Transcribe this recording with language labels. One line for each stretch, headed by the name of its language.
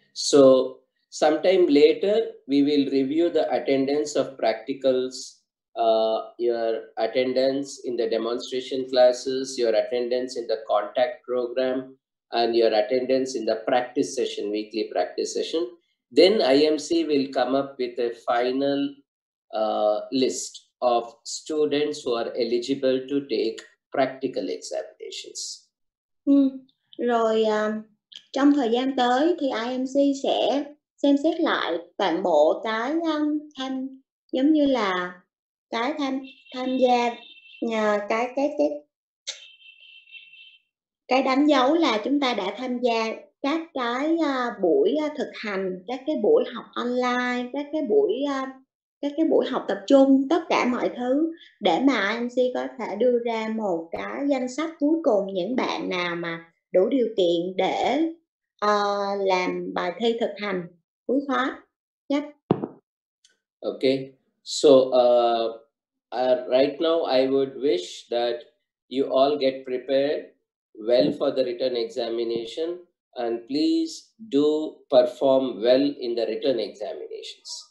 English: So sometime later we will review the attendance of practicals, your attendance in the demonstration classes, your attendance in the contact program, and your attendance in the practice session, weekly practice session. Then IMC will come up with a final list of students who are eligible to take practical examinations.
Vietnamese: Rồi trong thời gian tới thì IMC sẽ xem xét lại toàn bộ cái tham giống như là cái tham gia nhà cái đánh dấu là chúng ta đã tham gia các cái buổi thực hành, các cái buổi học online, các cái buổi học tập trung, tất cả mọi thứ, để mà IMC có thể đưa ra một cái danh sách cuối cùng những bạn nào mà đủ điều kiện để làm bài thi thực hành cuối khóa.
English: Yep. Okay. So right now I would wish that you all get prepared well for the written examination, and please do perform well in the written examinations.